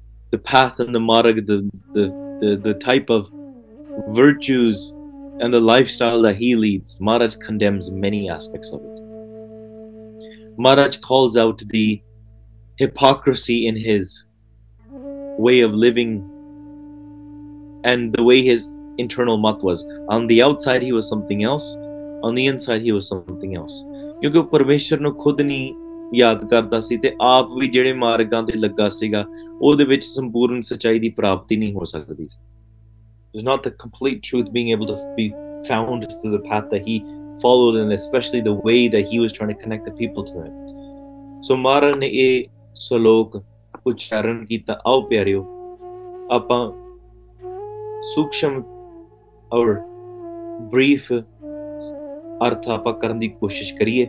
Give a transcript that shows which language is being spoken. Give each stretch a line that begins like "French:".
English: The path and the marg, the type of virtues and the lifestyle that he leads, Maharaj condemns many aspects of it. Maharaj calls out the hypocrisy in his way of living and the way his internal mat was. On the outside he was something else, on the inside he was something else.
Punjabi: Kyunki Parmeshwar nu khud ni ਯਾਦ ਕਰਦਾ ਸੀ ਤੇ ਆਪ ਵੀ ਜਿਹੜੇ ਮਾਰਗਾਂ ਤੇ ਲੱਗਾ ਸੀਗਾ ਉਹਦੇ ਵਿੱਚ ਸੰਪੂਰਨ ਸੱਚਾਈ ਦੀ ਪ੍ਰਾਪਤੀ ਨਹੀਂ ਹੋ ਸਕਦੀ ਸੀ।
English: It's not the complete truth being able to be found through the path that he followed and especially the way that he was trying to connect the people to him.
Punjabi: ਸੋ ਮਹਾਰਾਜ ਨੇ ਇਹ ਸਲੋਕ ਉਚਾਰਨ ਕੀਤਾ, ਆਓ ਪਿਆਰਿਓ ਆਪਾਂ ਸੂਕਸ਼ਮ ਔਰ ਬਰੀਫ ਅਰਥ ਆਪਾਂ ਕਰਨ ਦੀ ਕੋਸ਼ਿਸ਼ ਕਰੀਏ।